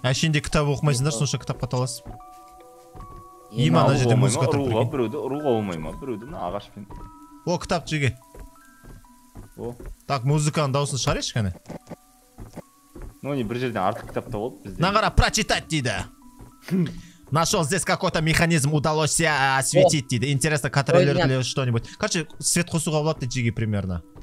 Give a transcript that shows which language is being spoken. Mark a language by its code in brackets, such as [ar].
[kk] Ішінде кітап оқымайсыңдар, сонша кітапқа таласып. Има на жерде музыка тұрып тұрған. Біреуді ұруға болмай ма? Біреуді мына ағашпен. О, кітап жеге. О. Так, музыканың дауысын шығарайықшы кәне. Ну, не бір жерден артық кітап тауып бізде. Мына қара, прочитать дейді. [ru] Нашел здесь какой-то механизм, удалось осветить дейді. Интересно, контроллер или что-нибудь. [kk] Короче, свет қосуға болады дейді жеге примерно.